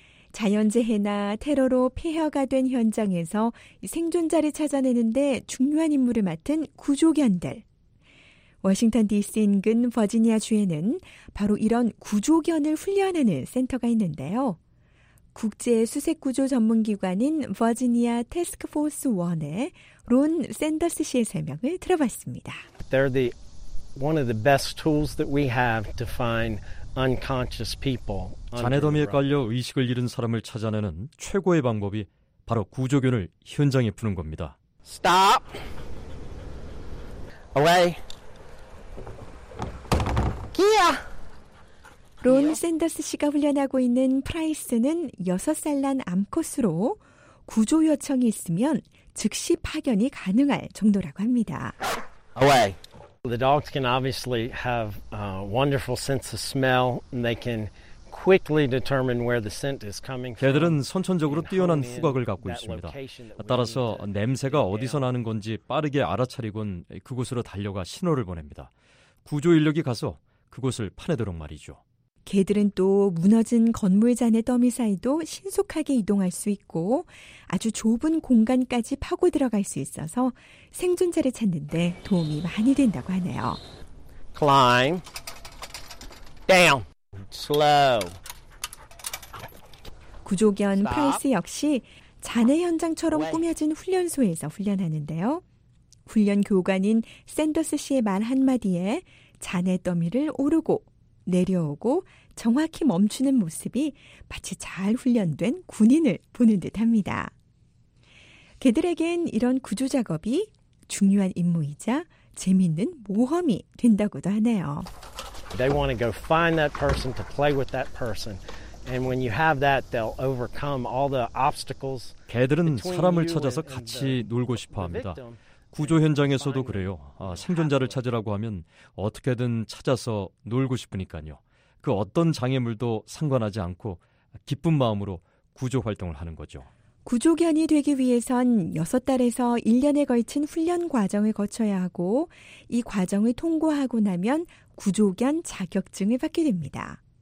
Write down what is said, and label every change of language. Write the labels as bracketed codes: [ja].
[ko] 자연재해나 테러로 폐허가 된 현장에서 생존자를 찾아내는데 중요한 임무를 맡은 구조견들. 워싱턴 DC 인근 버지니아 주에는 바로 이런 구조견을 훈련하는 센터가 있는데요. 국제 수색구조 전문기관인 버지니아 태스크포스 1의 론 샌더스 씨의 설명을 들어봤습니다. [en] They're the one of the best tools that we have to find unconscious people. [ko] 잔해 더미에 깔려 의식을 잃은 사람을 찾아내는 최고의 방법이 바로 구조견을 현장에 푸는 겁니다. [en] Stop. Away. 기아. [ko] 론 샌더스 씨가 훈련하고 있는 프라이스는 6살 난 암컷으로 구조 요청이 있으면 즉시 파견이 가능할 정도라고 합니다. [en] Away. The dogs can obviously have a wonderful sense of smell and they can quickly determine where the scent is coming from. [ko] 개들은 선천적으로 뛰어난 후각을 갖고 있습니다. 따라서 냄새가 어디서 나는 건지 빠르게 알아차리곤 그곳으로 달려가 신호를 보냅니다. 구조 인력이 가서 그곳을 파내도록 말이죠. 개들은 또 무너진 건물 잔해 더미 사이도 신속하게 이동할 수 있고 아주 좁은 공간까지 파고 들어갈 수 있어서 생존자를 찾는 데 도움이 많이 된다고 하네요. [en] Climb. Down. Slow. [ko] 구조견 [en] Stop. [ko] 프라이스 역시 잔해 현장처럼 [en] Wait. [ko] 꾸며진 훈련소에서 훈련하는데요. 훈련 교관인 샌더스 씨의 말 한마디에 잔해 더미를 오르고 내려오고 정확히 멈추는 모습이 마치 잘 훈련된 군인을 보는 듯합니다. 개들에겐 이런 구조 작업이 중요한 임무이자 재미있는 모험이 된다고도 하네요. [en] They want to go find that person to play with that person. And when you have that, they'll overcome all the obstacles. [ko] 개들은 사람을 찾아서 같이 놀고 싶어 합니다. 구조 현장에서도 그래요. 아, 생존자를 찾으라고 하면 어떻게든 찾아서 놀고 싶으니까요. 그 어떤 장애물도 상관하지 않고 기쁜 마음으로 구조 활동을 하는 거죠. 구조견이 되기 위해선 6달에서 1년에 걸친 훈련 과정을 거쳐야 하고 이 과정을 통과하고 나면 구조견 자격증을 받게 됩니다.